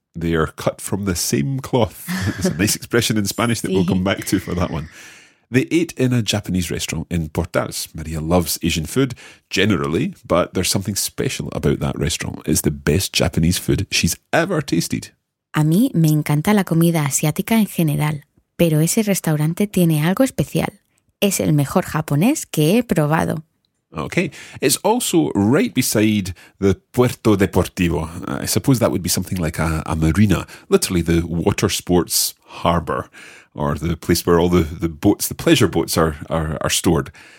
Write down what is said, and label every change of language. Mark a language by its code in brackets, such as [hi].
[en] They are cut from the same cloth. It's a nice expression in Spanish that we'll come back to for that one. They ate in a Japanese restaurant in Portales. Maria loves Asian food generally, but there's something special about that restaurant. It's the best Japanese food she's ever tasted. [es] A mí me encanta la comida asiática en general, pero ese restaurante tiene algo especial. Es el mejor japonés que he probado. [en] Okay, it's also right beside the Puerto Deportivo. I suppose that would be something like a marina, literally the water sports harbour, or the place where all the boats, the pleasure boats are stored.